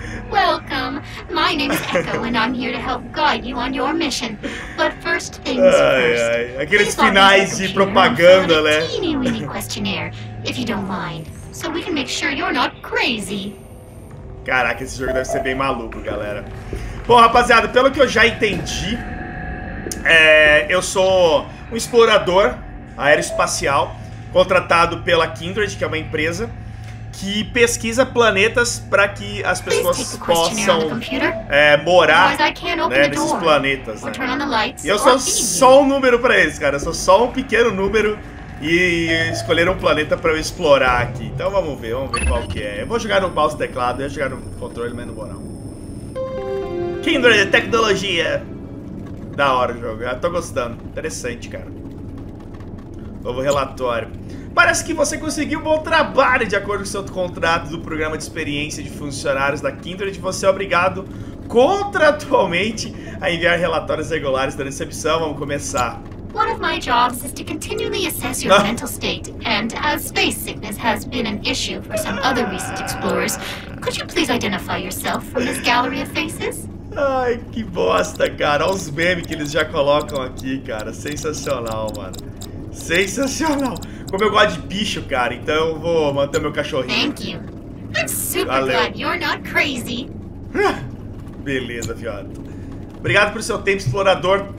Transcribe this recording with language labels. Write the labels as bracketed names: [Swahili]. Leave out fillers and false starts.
[English] Welcome. My name is Echo, and I'm here to help guide you on your mission. But first things first. [Portuguese] Aqueles finais de propaganda, né? [English] Teeny weeny questionnaire, if you don't mind. so we can make sure you're not crazy. [Portuguese] Caraca, esse jogo deve ser bem maluco, galera. Bom, rapaziada, pelo que eu já entendi, eu sou um explorador aeroespacial contratado pela Kindred, que é uma empresa que pesquisa planetas para que as pessoas possam morar nesses planetas. Né? E eu sou só um número para eles, cara. Eu sou só um pequeno número e escolheram um planeta para eu explorar aqui. Então vamos ver qual que é. Eu vou jogar no mouse e teclado, eu ia jogar no controle, mas não vou não. Kindred Tecnologia. Da hora o jogo, eu tô gostando. Interessante, cara. Novo relatório. Parece que você conseguiu um bom trabalho de acordo com o seu contrato do programa de experiência de funcionários da Kindred. Você é obrigado contratualmente a enviar relatórios regulares da recepção. Vamos começar. [English] One of my jobs is to continually assess your mental state, and as space sickness has been an issue for some other recent explorers, could you please identify yourself from this gallery of faces? [Portuguese] Ai, que bosta, cara. Olha os memes que eles já colocam aqui, cara. Sensacional, mano. Sensacional. Como eu gosto de bicho, cara, então eu vou manter meu cachorrinho. [English] Thank you. I'm super [Portuguese] Valeu. [English] Glad you're not crazy. [Portuguese] Beleza, fiado. Obrigado pelo seu tempo, explorador.